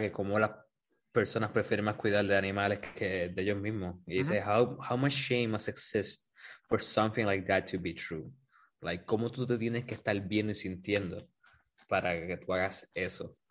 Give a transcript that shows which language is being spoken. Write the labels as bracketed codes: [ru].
[es] Que como las personas prefieren más cuidar de animales que de ellos mismos. Y dice, [en] how much shame must exist for something like that to be true? [es] Like, ¿cómo tú te tienes que estar viendo y sintiendo para que tú hagas eso?